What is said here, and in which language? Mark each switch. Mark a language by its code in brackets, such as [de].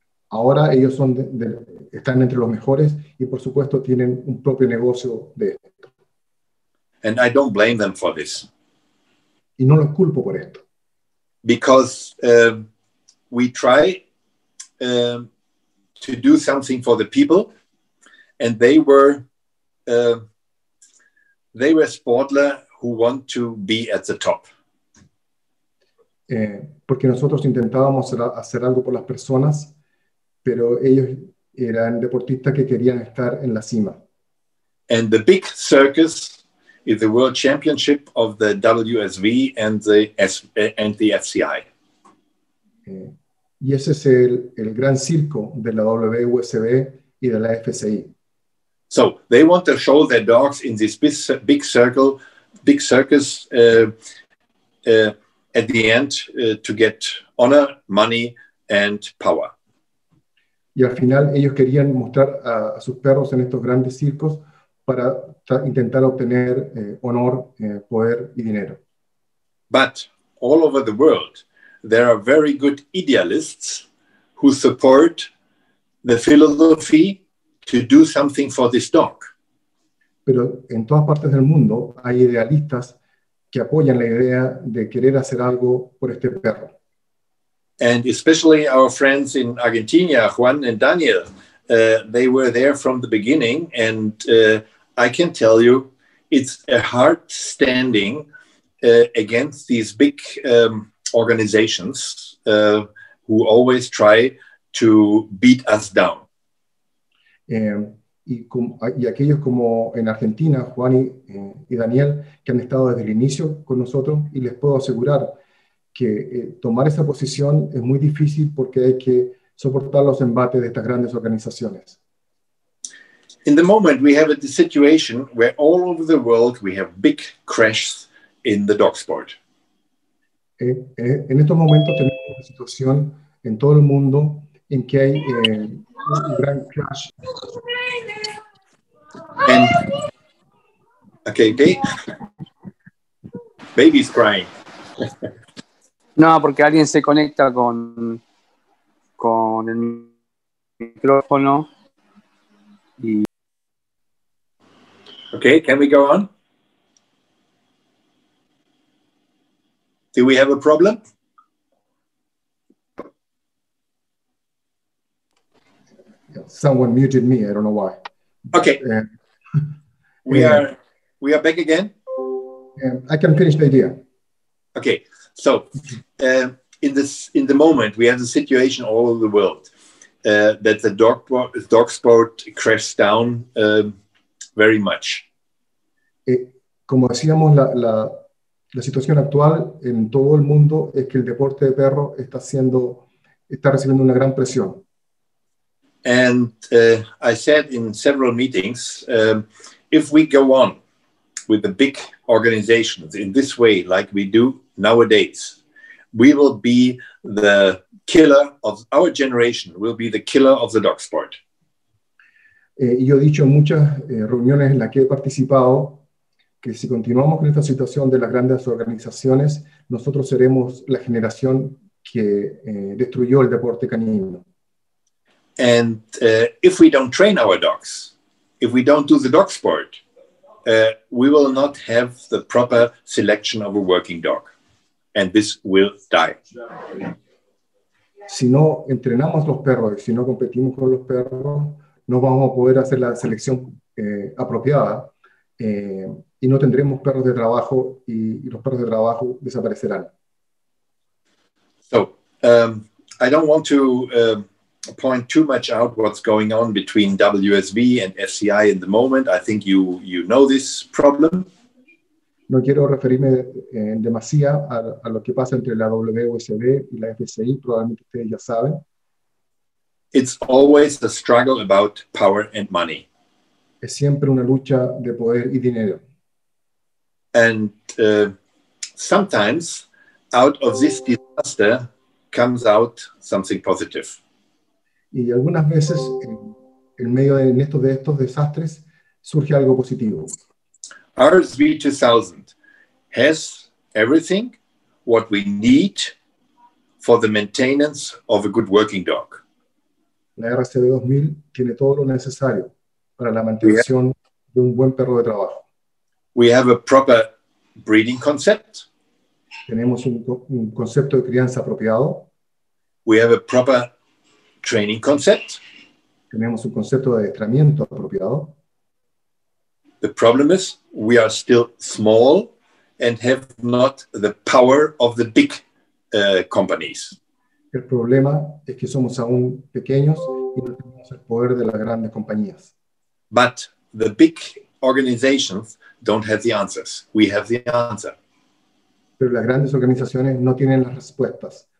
[es] Ahora ellos son están entre los mejores y por supuesto tienen un propio negocio de esto. [en] And I don't blame them for this. [es] Y no los culpo por esto. [en] Because we try to do something for the people, and they were Sportler who want to be at the top. [es] Porque nosotros intentábamos hacer algo por las personas, pero ellos eran deportistas que querían estar en la cima. [en] And the big circus is the World Championship of the WSV and the FCI. [es] Y ese es el gran circo de la WSV y de la FCI. [en] So they want to show their dogs in this big circle, big circus, at the end to get honor, money, and power. [es] Y al final ellos querían mostrar a sus perros en estos grandes circos para intentar obtener honor, poder y dinero. [en] But all over the world, there are very good idealists who support the philosophy to do something for this dog. [es] Pero en todas partes del mundo hay idealistas que apoyan la idea de querer hacer algo por este perro. [en] And especially our friends in Argentina, Juan and Daniel, they were there from the beginning, and I can tell you, it's a hard standing against these big organizations who always try to beat us down. [es] Y aquellos como en Argentina, Juan y Daniel, que han estado desde el inicio con nosotros, y les puedo asegurar que tomar esa posición es muy difícil porque hay que soportar los embates de estas grandes organizaciones. [en] In the moment, we have a situation where all over the world we have big crashes in the dog sport. [es] En estos momentos tenemos una situación en todo el mundo en que hay un gran crash. [en] And, okay, okay. Baby's crying. [es] No, porque alguien se conecta con el micrófono. Y... [en] Okay, can we go on? Do we have a problem? Someone muted me. I don't know why. Okay. We are back again. I can finish the idea. Okay. So, in the moment, we have a situation all over the world that the dog sport crashed down very much. [es] Como decíamos, la situación actual en todo el mundo es que el deporte de perro está recibiendo una gran presión. [en] And I said in several meetings, if we go on with the big organizations in this way, like we do nowadays, we will be the killer of our generation, will be the killer of the dog sport. [es] Yo he dicho en muchas reuniones en las que he participado que si continuamos con esta situación de las grandes organizaciones, nosotros seremos la generación que destruyó el deporte canino. [en] And if we don't train our dogs, if we don't do the dog sport, we will not have the proper selection of a working dog. And this will die. [es] Si no entrenamos los perros, si no competimos con los perros, no vamos a poder hacer la selección apropiada y no tendremos perros de trabajo y los perros de trabajo desaparecerán. [en] So, I don't want to point too much out what's going on between WSV and FCI in the moment. I think you know this problem. [es] No quiero referirme demasiado a lo que pasa entre la WSB y la FCI, probablemente ustedes ya saben. [en] It's always a struggle about power and money. [es] Es siempre una lucha de poder y dinero. [en] And sometimes out of this disaster comes out something positive. [es] Y algunas veces en medio de estos desastres surge algo positivo. [en] RSV 2000 has everything what we need for the maintenance of a good working dog. [es] La RSV 2000 tiene todo lo necesario para la mantención de un buen perro de trabajo. [en] We have a proper breeding concept. [es] Tenemos un concepto de crianza apropiado. [en] We have a proper training concept. [es] Tenemos un concepto de entrenamiento apropiado. [en] The problem is we are still small and have not the power of the big companies. [es] El problema es que somos aún pequeños y no tenemos el poder de las grandes compañías. [en] But the big organizations don't have the answers. We have the answer. [es] Pero las grandes organizaciones no tienen las respuestas.